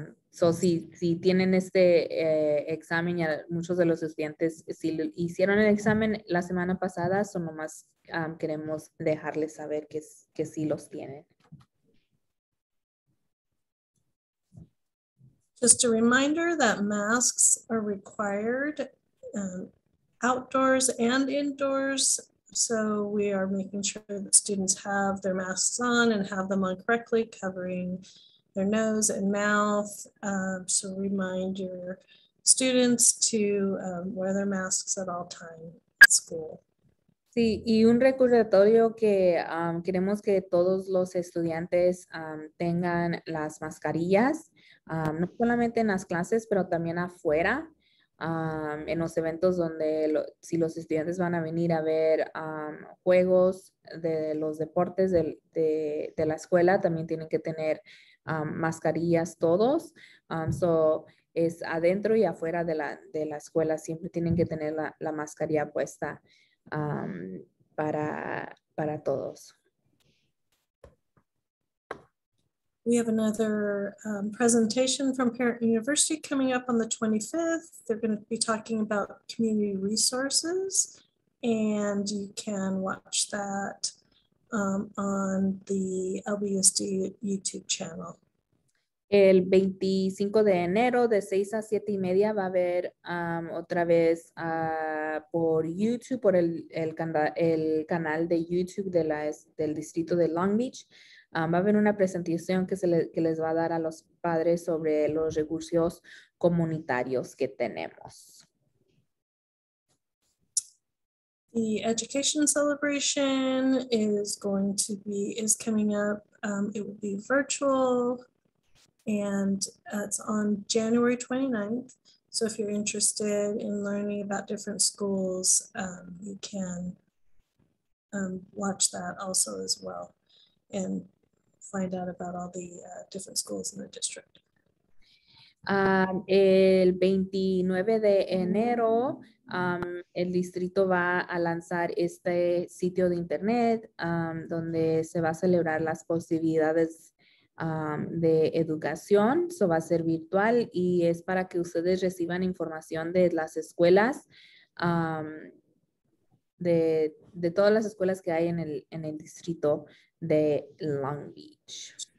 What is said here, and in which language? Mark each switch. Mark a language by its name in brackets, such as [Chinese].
[Spanish] So si tienen este examen, ya muchos de los estudiantes si hicieron el examen la semana pasada, son nomás queremos dejarles saber que sí los tienen. [English] Just a reminder that masks are required outdoors and indoors. So we are making sure that students have their masks on and have them on correctly, covering their nose and mouth. So remind your students to wear their masks at all times at school. [Spanish] Sí, y un recordatorio que queremos que todos los estudiantes tengan las mascarillas, no solamente en las clases, pero también afuera, en los eventos donde si los estudiantes van a venir a ver juegos de los deportes de la escuela, también tienen que tener mascarillas todos. So es adentro y afuera de la escuela, siempre tienen que tener la mascarilla puesta. Para todos. [English] We have another presentation from Parent University coming up on the 25th. They're going to be talking about community resources, and you can watch that on the LBUSD YouTube channel. [Spanish] El 25 de enero de 6 a 7 y media va a haber otra vez por YouTube, por el canal de YouTube de del distrito de Long Beach. Va a haber una presentación que les va a dar a los padres sobre los recursos comunitarios que tenemos. [English] The education celebration is coming up. It will be virtual. And it's on January 29th. So if you're interested in learning about different schools, you can watch that also as well and find out about all the different schools in the district. [Spanish] El 29 de enero, el distrito va a lanzar este sitio de internet donde se va a celebrar las posibilidades de educación. Eso va a ser virtual y es para que ustedes reciban información de las escuelas, de todas las escuelas que hay en el distrito de Long Beach.